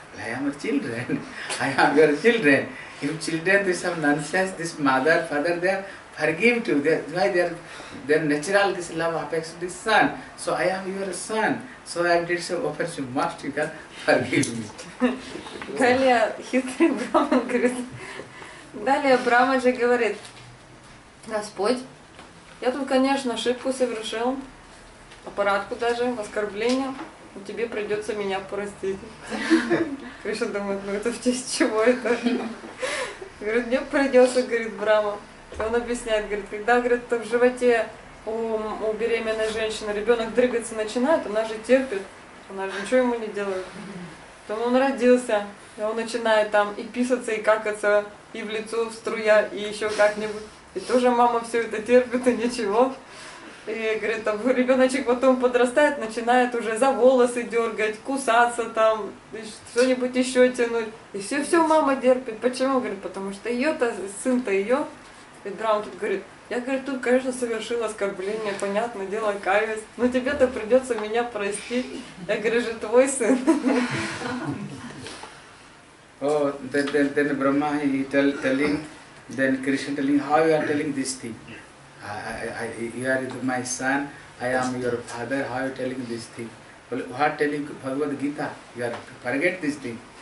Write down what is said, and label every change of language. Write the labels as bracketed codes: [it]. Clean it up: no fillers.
[en] I am your children. If children, this some nonsense, this mother, father, they are forgive to. Why? They are natural, this love affects this son. So I am your son. So I did some offense, must you can forgive me. [ru] Далее, хитрый Брахма говорит. Далее Брахма же говорит, Господь, я тут, конечно, ошибку совершил, аппаратку даже, оскорбление, но тебе придется меня простить. Кришна думает, ну это в честь чего это? Говорит, мне придется, говорит Брахма. Он объясняет, говорит, когда, говорит, в животе у беременной женщины ребенок дрыгаться начинает, она же терпит, она же ничего ему не делает. Потом он родился, и он начинает там и писаться, и какаться, и в лицо, в струя, и еще как-нибудь. И тоже мама все это терпит, и ничего. И, говорит, там ребеночек потом подрастает, начинает уже за волосы дергать, кусаться там, что-нибудь еще тянуть. И все-все мама терпит. Почему? Говорит, потому что ее-то, сын-то ее. И Брахма тут говорит, я, говорит, тут, конечно, совершил оскорбление, понятное дело, каюсь, но тебе-то придется меня простить. Я говорю, же твой сын. [en] Oh, then Brahma, he telling, then Krishna telling, how you are telling this thing? You are my son, I am your father, how you telling this thing? Well, what telling Bhagavad Gita? You are forget this thing.